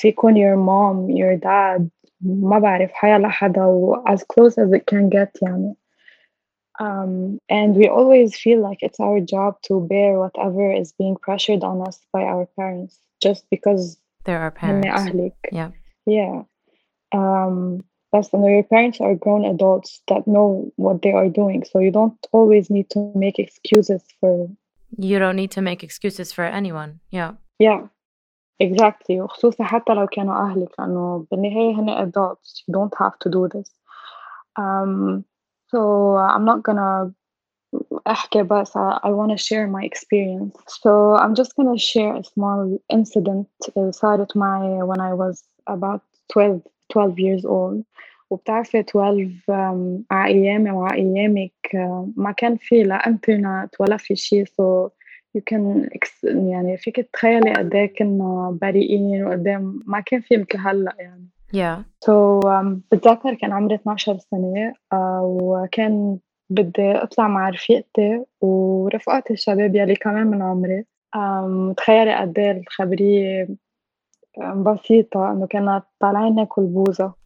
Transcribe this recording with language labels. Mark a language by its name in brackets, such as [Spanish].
[Arabic] فيكون [English] your mom your dad [Arabic] ما بعرف حيا لحدا و [English] as close as it can get [Arabic] يعني [English] and we always feel like it's our job to bear whatever is being pressured on us by our parents just because they're our parents. Yeah. That's when your parents are grown adults that know what they are doing. So you don't always need to make excuses for... You don't need to make excuses for anyone. Yeah. Yeah, exactly. [Arabic] خصوصا حتى لو كانوا أهلك لأنه بالنهاية هنا adults. [English] You don't have to do this. So I'm not gonna... I want to share my experience. So I'm just going to share a small incident that started my when I was about 12 years old. [Arabic] وبتعرفي 12 ايامي وايامك ما كان في لا انترنت ولا في شيء [English] so you can [Arabic] يعني فيك تخيلي قد ايه كنا بريئين وقد ايه ما كان في مثل هلا يعني. [English] Yeah. [Arabic] So بتذكر كان عمري 12 سنة وكان بدي أطلع مع رفيقتي ورفقاتي الشباب يلي كمان من عمري تخيلي قد ايه الخبرية بسيطة انه كنا طالعين ناكل بوزة